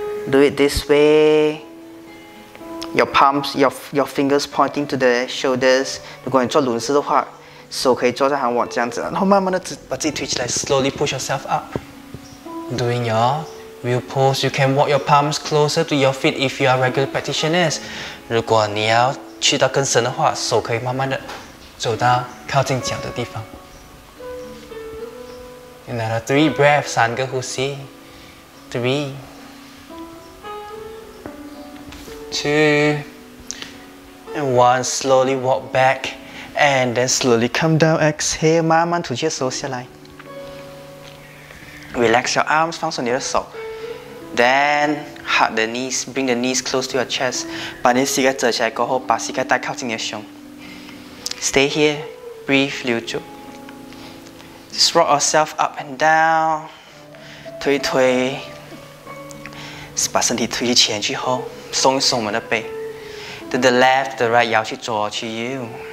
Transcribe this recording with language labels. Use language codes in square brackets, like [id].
[en] Do it this way. Your palms, your fingers pointing to the shoulders. [zh] 如果你做轮式的话, 手可以坐在喊我这样子, 然后慢慢的把自己推起来, [en] slowly push yourself up. Doing your wheel pose, you can walk your palms closer to your feet if you are regular practitioners. [zh] 如果你要去到更深的话, 手可以慢慢的 走到靠近脚的地方. [en] Another 3 breaths, [zh] 3个呼吸. [en] 3, 2, and 1. Slowly walk back and then slowly come down. Exhale, [zh] 慢慢吐气的时候下来. [en] Relax your arms, [zh] 放松你的手. [en] Then hug the knees, bring the knees close to your chest. [zh] 把你的膝盖折起来过后, 把膝盖带靠近你的胸. [en] Stay here, breathe, [zh] 留住. [en] Just rock yourself up and down. [zh] 推一推, 把身体推去前去后, 松一松我们的背. [en] To the left, to the right, [zh] 摇去左, [en] to you.